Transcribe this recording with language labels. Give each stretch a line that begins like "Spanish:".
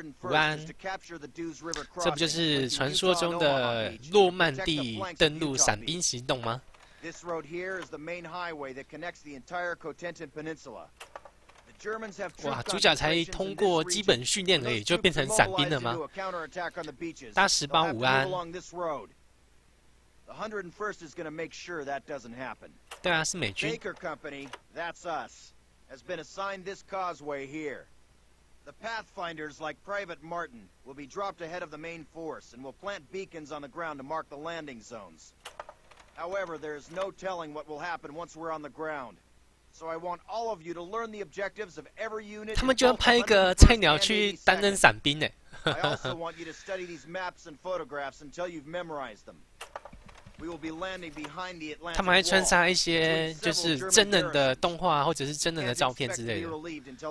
Chinese: 湾，这不就是传说中的诺曼底登陆伞兵行动吗？
English: This road here is the main highway that connects the entire Cotentin Peninsula. The Germans have
Chinese: troops. 哇，主角才通过基本训练而已，就变成伞兵了吗？大 18午安。
English: The 101st is going to make sure that doesn't happen.
Chinese: 对啊，是美军。
English: Baker Company, that's us, has been assigned this causeway here. The Pathfinders, like Private Martin, will be dropped ahead of the main force and will plant beacons on the ground to mark the landing zones. However, there is no telling what will happen once we're on the ground. So I want all of you to learn the objectives of every unit.
Chinese: 他们就要派一个菜鸟去担任伞兵呢。
English: I also want you to study these maps and photographs until you've memorized them. We will be landing behind the Atlantic
Chinese: Wall. 他们还穿插一些就是真人的动画或者是真人的照片之类的。